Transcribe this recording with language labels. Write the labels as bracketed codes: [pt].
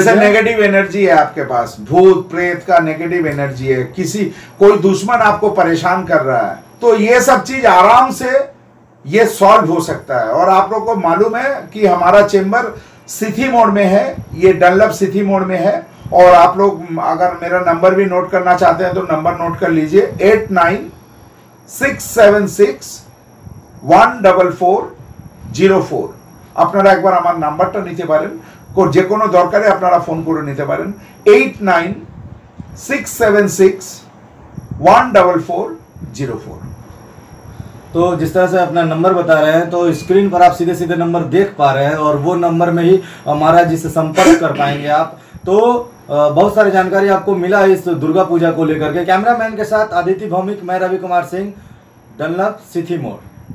[hi] जैसे negative energy है आपके पास, भूत प्रेत का नेगेटिव एनर्जी है, किसी कोई दुश्मन आपको परेशान कर रहा है, तो ये सब चीज आराम से ये सॉल्व हो सकता है। और आप लोगों को मालूम है कि हमारा चेंबर सिथी मोड में है, ये डनलप सिथी मोड में है, और आप लोग अगर मेरा नंबर भी नोट करना चाहते हैं तो नंबर नोट कर लीजिए, 8967614404। [bn] আপনারা একবার আমার নাম্বারটা নিতে পারেন, যে কোনো দরকারে আপনারা ফোন করে নিতে পারেন, 8967614404। [hi] तो जिस तरह से अपना नंबर बता रहे हैं तो स्क्रीन पर आप सीधे सीधे नंबर देख पा रहे हैं, और वो नंबर में ही महाराज जी से संपर्क कर पाएंगे आप। तो बहुत सारी जानकारी आपको मिला है इस दुर्गा पूजा को लेकर के। कैमरामैन के साथ आदित्य भौमिक, मैं रवि कुमार सिंह, डनलप सिथी मोड़।